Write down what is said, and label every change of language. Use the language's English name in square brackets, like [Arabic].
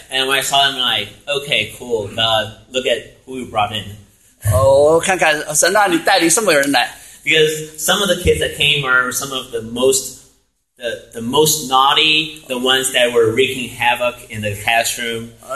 [English] And when I saw them, I'm like, okay, cool. Look at who you brought in. [Chinese] 我看看神啊，你带领什么人来？ [English] Because some of the kids that came are some of the most naughty, the ones that were wreaking havoc in the classroom.